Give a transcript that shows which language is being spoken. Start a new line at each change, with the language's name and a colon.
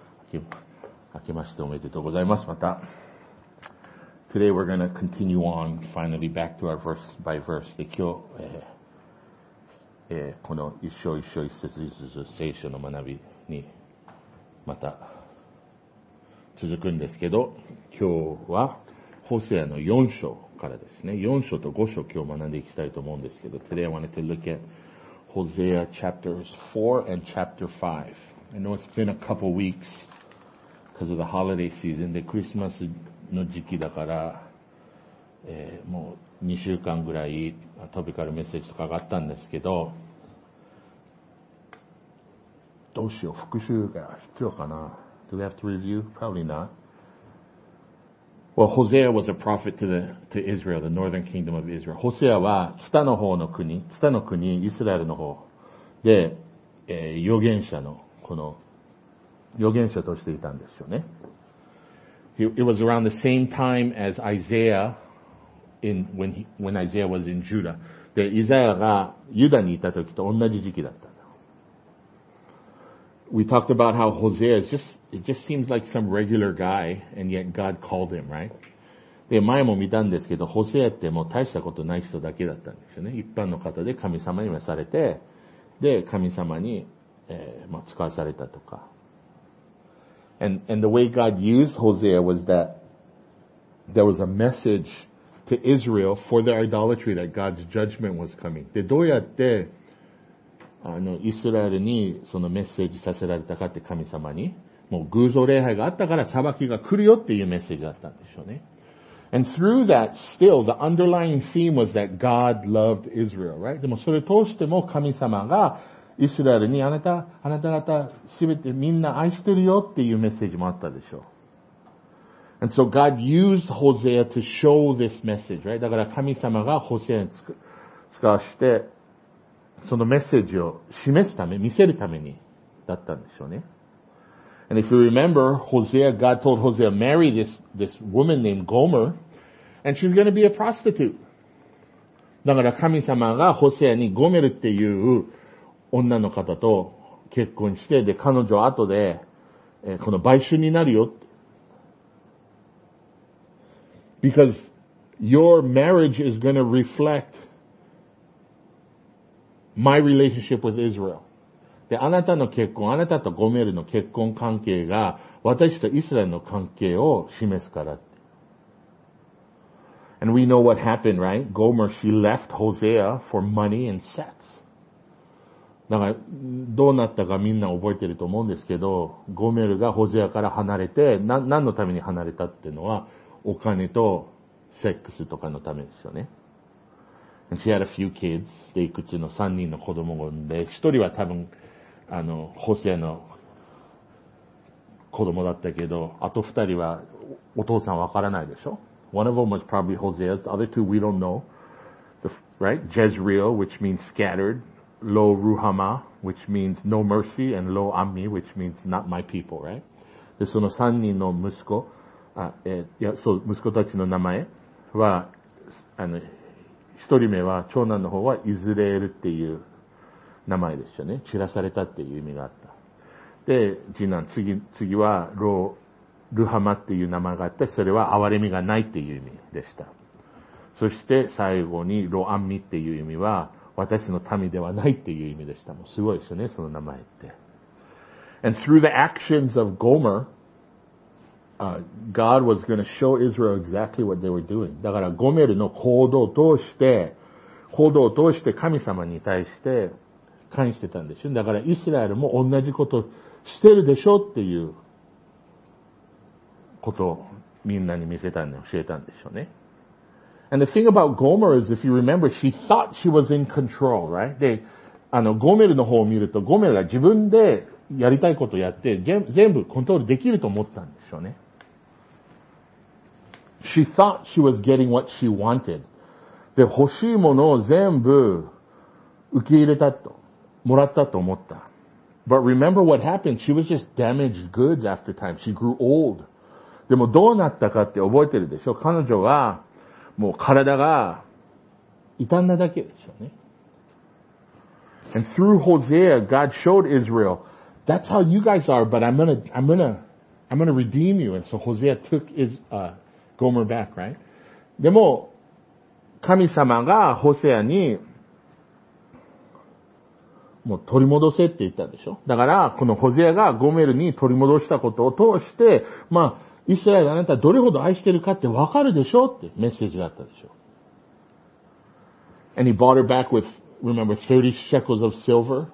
Japanese: 明けましておめでとうございます。また。
English: Today we're going to continue on, finally back to our verse by verse.
Japanese: で、今日、この一章一章一節一節聖書の学びにまた続くんですけど、今日はホセアの4章からですね、4章と5章今日学んでいきたいと思うんですけど、
English: Today I wanted to look at Hosea chapters 4 and chapter 5. I know it's been a couple weeks because of the holiday season.
Japanese: で、クリスマスの時期だから、もう2週間ぐらいトピカルメッセージとか上がったんですけど、どうしよう、復習が必要かな。
English: Do we have to review? Probably not. Well, Hosea was a prophet to Israel, the northern kingdom of Israel. Hosea
Japanese: は北の方の国、北の国、イスラエルの方で、預言者の、この、預言者としていたんですよね。
English: It was around the same time as Isaiah when Isaiah was in Judah.
Japanese: で、イザヤがユダにいた時と同じ時期だった。
English: We talked about how Hosea is just—it just seems like some regular guy, and yet God called him, right?
Japanese: で、前も見たんですけど、ホセアってもう大したことない人だけだったんですよね。一般の方で神様に召されて、で、神様に、まあ、使わされたとか。
English: And the way God used Hosea was that there was a message to Israel for their idolatry that God's judgment was coming.
Japanese: で、どうやって、イスラエルにそのメッセージさせられたかって神様に、もう偶像礼拝があったから裁きが来るよっていうメッセージだったんでしょうね。
English: And through that, still, the underlying theme was that God loved Israel, right?
Japanese: でもそれを通しても神様がイスラエルにあなた方すべてみんな愛してるよっていうメッセージもあったでしょう。
English: And so God used Hosea to show this message, right?
Japanese: だから神様がホセアに使わせて、そのメッセージを示すため、見せるためにだったんでしょうね。
English: And if you remember, Hosea, God told Hosea, marry this woman named Gomer, and she's going to be a prostitute.
Japanese: だから神様がホセアにゴメルっていう女の方と結婚して、で、彼女は後で、この売春になるよ。
English: Because your marriage is going to reflect my relationship with Israel.
Japanese: で、あなたの結婚、あなたとゴメルの結婚関係が、私とイスラエルの関係を示すから。
English: And we know what happened, right? Gomer, she left Hosea for money and sex.
Japanese: だから、どうなったかみんな覚えてると思うんですけど、ゴメルがホゼアから離れて、何のために離れたっていうのは、お金とセックスとかのためですよね。
English: And she had a few kids.
Japanese: で、いくつの三人の子供を産んで、一人は多分、ホセアの子供だったけど、あと二人はお父さんわからないでしょ。
English: One of them was probably Hosea's. The other two we don't know. Right? Jezreel, which means scattered. Lo Ruhama, which means no mercy. And Lo Ami, which means not my people, right?
Japanese: で、その三人の息子、息子たちの名前は、一人目は、長男の方はイズレエルっていう名前ですよね。散らされたっていう意味があった。で、次男、次はロー、ルハマっていう名前があって、それは憐れみがないっていう意味でした。そして最後にロアンミっていう意味は、私の民ではないっていう意味でした。もうすごいですよね、その名前って。
English: And through the actions of Gomer, God was going to show Israel exactly what they were doing.
Japanese: だからゴメルの行動を通して神様に対して関してたんでしょ。だからイスラエルも同じことしてるでしょっていうことをみんなに見せたんで教えたんでしょうね。
English: And the thing about Gomer is, if you remember, she thought she was in control, right?
Japanese: で、ゴメルの方を見ると、ゴメルが自分でやりたいことをやって全部コントロールできると思ったんでしょうね。
English: She thought she was getting what she wanted.
Japanese: で、欲しいものを全部受け入れたと、もらったと思った。
English: But remember what happened. She was just damaged goods after time. She grew old.
Japanese: でもどうなったかって覚えてるでしょ。彼女はもう体が傷んだだけでしょうね。
English: And through Hosea, God showed Israel, that's how you guys are, but I'm gonna redeem you. And so Hosea took his Gomer back, right?
Japanese: でも神様がホセアにもう取り戻せって言ったでしょ。だからこのホゼアがゴメルに取り戻したことを通して、まあイスラエルあなたどれほど愛してるかってわかるでしょってメッセージがあったでしょ。
English: And he bought her back with, remember, 30 shekels of silver.